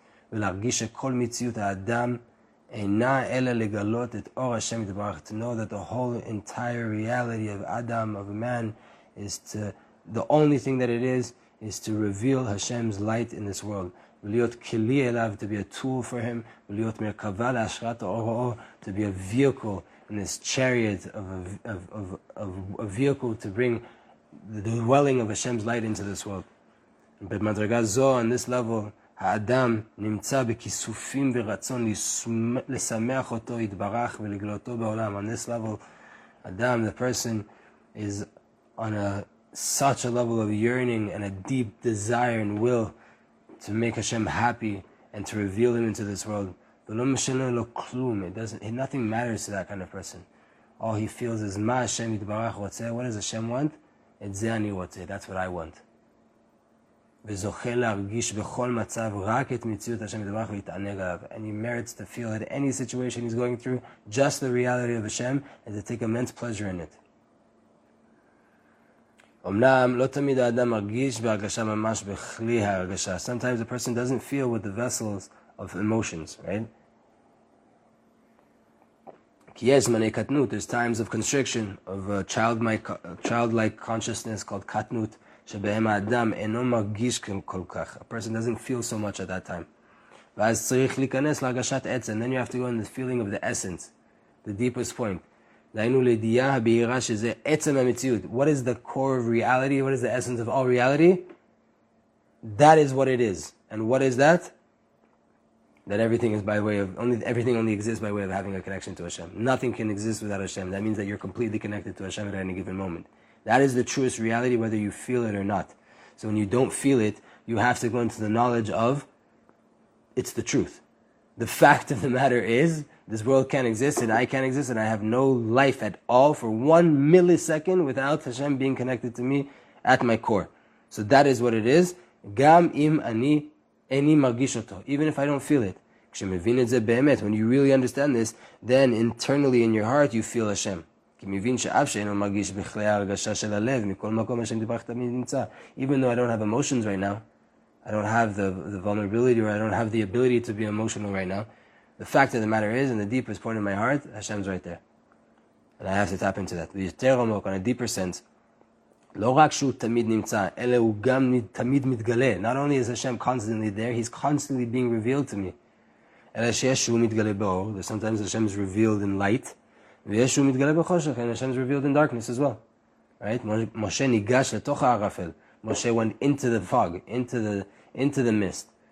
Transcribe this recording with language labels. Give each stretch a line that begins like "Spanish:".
English: To know that the whole entire reality of Adam, of man, is to, the only thing that it is to reveal Hashem's light in this world. To be a tool for Him. To be a vehicle in this chariot of a vehicle to bring the dwelling of Hashem's light into this world. But madraga zo, on this level,
Hebrew: האדם נמצא בכיסופים ורצון לשמח אותו, יתברך ולגלותו בעולם.
English: On this level, Adam, the person, is on such a level of yearning and a deep desire and will to make Hashem happy and to reveal Him into this world.
Hebrew: ולא משנה לו כלום.
English: Nothing matters to that kind of person. All he feels is,
Hebrew: מה השם יתברך רוצה?
English: What does Hashem want?
Hebrew: את זה אני רוצה.
English: That's what I want. And he merits to feel that any situation he's going through, just the reality of Hashem, and to take immense pleasure in it.
Hebrew: אמנם לא תמיד האדם מרגיש בהרגשה ממש בכלי ההרגשה.
English: Sometimes a person doesn't feel with the vessels of emotions, right?
Hebrew: כי יש זמני קטנות,
English: there's times of constriction, of a childlike consciousness called
Hebrew: קטנות, שבהם האדם אינו מרגיש כל כך.
English: A person doesn't feel so much at that time.
Hebrew: ואז צריך להיכנס להרגשת עצם,
English: and then you have to go in the feeling of the essence, the deepest point.
Hebrew: דיינו לידיעה הבהירה שזה עצם המציאות.
English: What is the core of reality? What is the essence of all reality? That is what it is. And what is that? That everything is by way of everything only exists by way of having a connection to Hashem. Nothing can exist without Hashem. That means that you're completely connected to Hashem at any given moment. That is the truest reality, whether you feel it or not. So when you don't feel it, you have to go into the knowledge of it's the truth. The fact of the matter is, this world can't exist, and I can't exist, and I have no life at all for one millisecond without Hashem being connected to me at my core. So that is what it is.
Hebrew: גם אם אני איני מרגיש אותו,
English: even if I don't feel it.
Hebrew: כשמבין את זה באמת,
English: when you really understand this, then internally in your heart you feel Hashem.
Hebrew: כי מבין שאף שאינו מרגיש בכלי ההרגשה של הלב, מכל מקום השם דיברך תמיד נמצא.
English: Even though I don't have emotions right now, I don't have the vulnerability, or I don't have the ability to be emotional right now, the fact of the matter is, in the deepest point of my heart, Hashem's right there. And I have to tap into that.
Hebrew: ויותר עמוק,
English: on a deeper sense,
Hebrew: לא רק שהוא תמיד נמצא, אלא הוא גם תמיד מתגלה.
English: Not only is Hashem constantly there, he's constantly being revealed to me.
Hebrew: אלא שיש שהוא מתגלה באור,
English: sometimes Hashem is revealed in light,
Hebrew: ויש שהוא מתגלה בחושך,
English: and Hashem is revealed in darkness as well. Right?
Hebrew: משה ניגש לתוך הערפל.
English: Moshe went into the fog, into the mist.